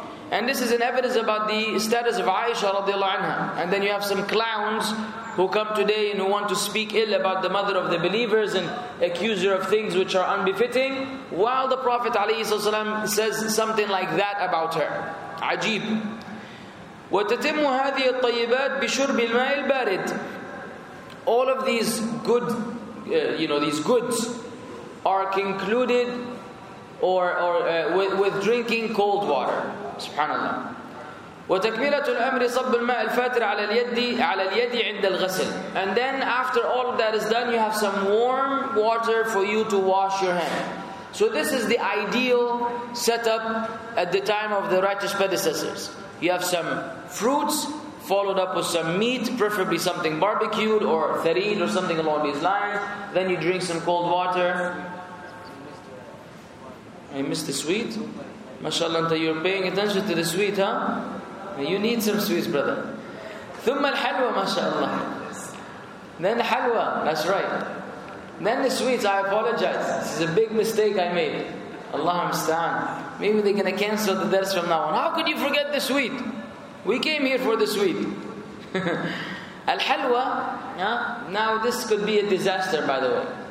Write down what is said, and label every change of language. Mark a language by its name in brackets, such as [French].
[English] And this is an evidence about the status of Aisha radiallahu anha. And then you have some clowns who come today and who want to speak ill about the mother of the believers and accuse her of things which are unbefitting, while the Prophet says something like that about her. Ajeeb. [Arabic] وتتم هذه الطيبات بشرب الماء البارد. [English] All of these good, you know, these goods are concluded with drinking cold water. Subhanallah. [Arabic] وتكملة الأمر صب الماء الفاتر على اليد عند الغسل. [English] And then after all of that is done, you have some warm water for you to wash your hand. So this is the ideal setup at the time of the righteous predecessors. You have some fruits followed up with some meat, preferably something barbecued or thareed or something along these lines. Then you drink some cold water. I missed the sweet. Mashallah, you're paying attention to the sweet, huh? You need some sweets, brother. [Arabic] ثم الحلوى, mashallah. [English] Then halwa, that's right. Then the sweets, I apologize. This is a big mistake I made. [Arabic] Allahu musta'an. [English] Maybe they're going to cancel the dars from now on. How could you forget the sweet? We came here for the sweet. Al-halwa, yeah? Now this could be a disaster, by the way.